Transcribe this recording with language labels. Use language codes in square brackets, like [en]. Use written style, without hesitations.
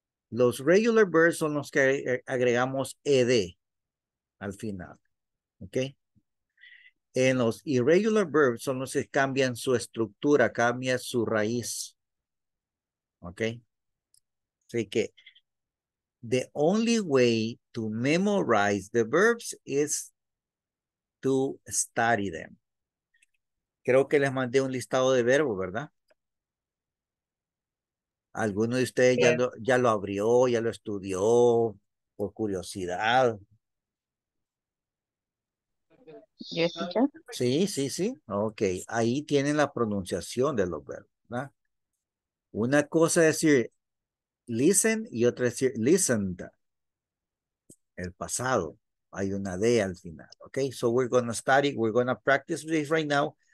[es] Los [en] regular verbs [es] son los que agregamos ed al final, ¿ok? En los [en] irregular verbs [es] son los que cambian su estructura, cambia su raíz, ¿ok? Así que [en] the only way to memorize the verbs is to study them. [es] Creo que les mandé un listado de verbos, ¿verdad? ¿Alguno de ustedes ya lo abrió, ya lo estudió por curiosidad? [en] Yes, [es] sí, sí, sí. Ok, ahí tienen la pronunciación de los verbos, ¿verdad? Una cosa es decir listen y otra es decir listened. El pasado, hay una D al final. [en] Ok, so we're going to study, we're going to practice this right now.